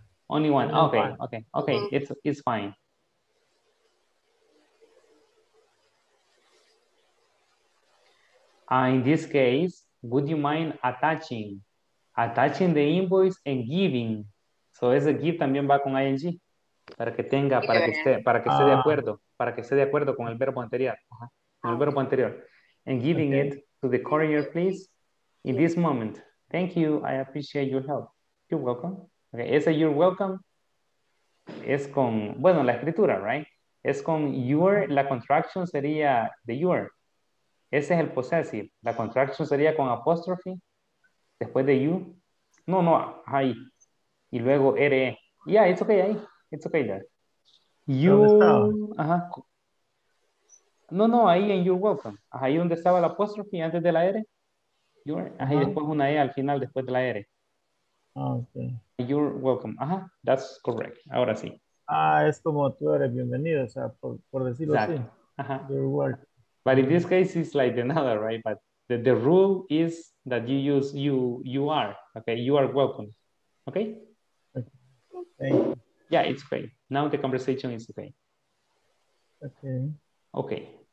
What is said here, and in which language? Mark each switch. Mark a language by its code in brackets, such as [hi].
[en] Only one. Okay. Mm-hmm. It's fine. In this case, would you mind attaching the invoice and giving? So as a give [es] también va con ING. Para que esté de acuerdo. Para que esté de acuerdo con el verbo anterior. Con el verbo anterior. [en] And giving it to the courier, please. In this moment. Thank you. I appreciate your help. You're welcome. Okay. Ese you're welcome [es] es con, bueno, la escritura, [en] right? [es] Es con your, la contraction sería the your. Ese es el possessive. La contraction sería con apostrophe. Después de you. No, ahí. Y luego RE. [en] Yeah, it's okay ahí. It's okay there. You, [es] No, no, ahí en you're welcome. Ahí donde estaba la apóstrofe antes de la R. You're, ahí uh-huh. Después una E al final después de la R. [en] Okay. You're welcome. Ajá, that's correct. [es] Ahora sí. Ah, es como tú eres bienvenido, o sea, por decirlo exacto. Así. Uh-huh. [en] You're welcome. But in this case, it's like another, right? But the rule is that you use you are. Okay, you are welcome. Okay? Thank you. Yeah, it's okay. Now the conversation is okay. Okay. Okay.